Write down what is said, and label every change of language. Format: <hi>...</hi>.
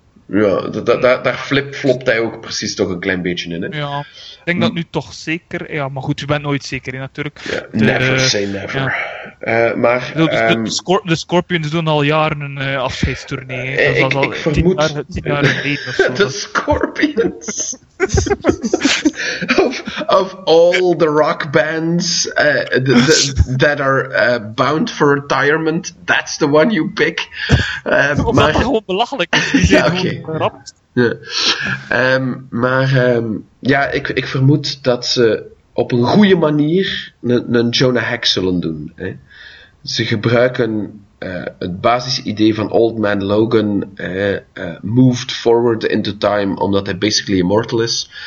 <nl>Ja, daar flip-flopt hij ook precies toch een klein beetje in. Hè. Ja, ik denk dat nu toch zeker... Ja, maar goed, je bent nooit zeker in natuurlijk.</nl> <en>Ja, never say never. Ja. Maar,</en> <nl>de Scorpions doen al jaren een afscheidstournee. Dat ik was al ik vermoed... 10 jaar geleden of zo. De Scorpions...</nl> <en>of all the rock bands that are bound for retirement, that's the one you pick.</en> <nl>Maar dat is gewoon belachelijk. Ja, oké. Okay. Ik vermoed dat ze op een goede manier een Jonah Hex zullen doen. Hè. Ze gebruiken het basisidee van Old Man Logan</nl> <en>moved forward into time,</en> <nl>omdat hij basically immortal is.</nl>